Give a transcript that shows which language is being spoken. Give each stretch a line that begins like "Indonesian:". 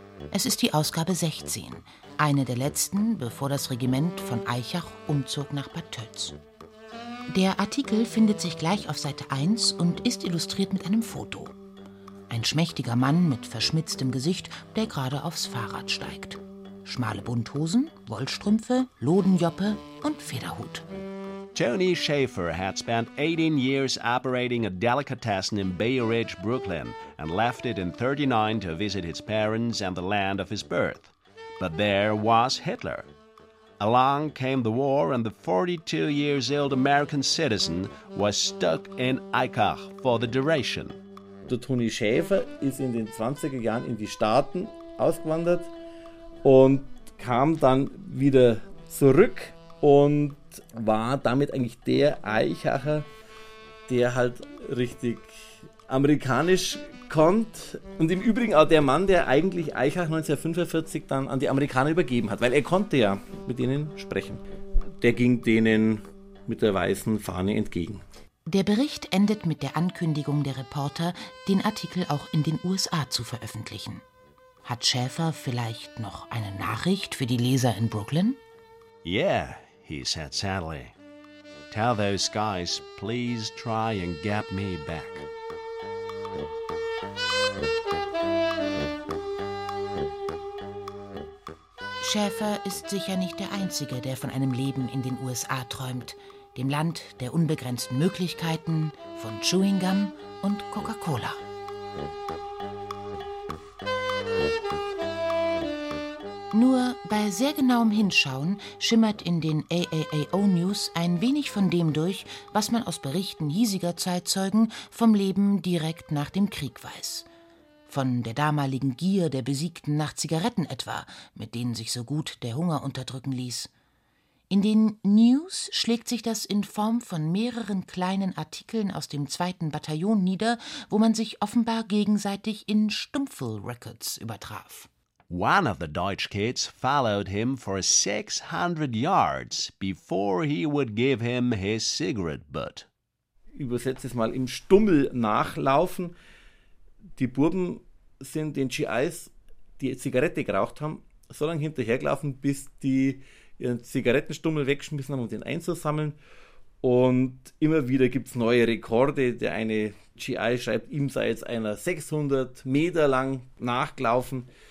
German: Es ist die Ausgabe 16, eine der letzten, bevor das Regiment von Eichach umzog nach Bad Tölz. Der Artikel findet sich gleich auf Seite 1 und ist illustriert mit einem Foto. Ein schmächtiger Mann mit verschmitztem Gesicht, der gerade aufs Fahrrad steigt. Schmale Bunthosen, Wollstrümpfe, Lodenjoppe und Federhut.
English: Toni Schäfer had spent 18 years operating a delicatessen in Bay Ridge, Brooklyn, and left it in 39 to visit his parents and the land of his birth. But there was Hitler. Along came the war, and the 42 years old American citizen was stuck in Eichach for the duration.
German: Der Toni Schäfer ist in den 20er Jahren in die Staaten ausgewandert und kam dann wieder zurück. Und war damit eigentlich der Eichacher, der halt richtig amerikanisch kommt. Und im Übrigen auch der Mann, der eigentlich Eichach 1945 dann an die Amerikaner übergeben hat, weil er konnte ja mit ihnen sprechen. Der ging denen mit der weißen Fahne entgegen. Der Bericht endet mit der Ankündigung der Reporter, den Artikel auch in den USA zu veröffentlichen. Hat Schäfer vielleicht noch eine Nachricht für die Leser in Brooklyn?
English: Yeah, he said sadly. Tell those guys, please try and get me back.
German: Schäfer ist sicher nicht der Einzige, der von einem Leben in den USA träumt. Dem Land der unbegrenzten Möglichkeiten, von Chewing Gum und Coca-Cola. Nur bei sehr genauem Hinschauen schimmert in den AAAO-News ein wenig von dem durch, was man aus Berichten hiesiger Zeitzeugen vom Leben direkt nach dem Krieg weiß. Von der damaligen Gier der Besiegten nach Zigaretten etwa, mit denen sich so gut der Hunger unterdrücken ließ. In den News schlägt sich das in Form von mehreren kleinen Artikeln aus dem 2. Bataillon nieder, wo man sich offenbar gegenseitig in Stumpfel-Records übertraf.
English: One of the Deutsch kids followed him for 600 yards before he would give him his cigarette butt.
German: Übersetzt es mal im Stummel nachlaufen. Die Buben sind den GIs, die Zigarette geraucht haben, so lange hinterhergelaufen, bis die ihren Zigarettenstummel weggeschmissen haben, um den einzusammeln. Und immer wieder gibt es neue Rekorde. Der eine GI schreibt, ihm sei jetzt einer 600 Meter lang nachgelaufen.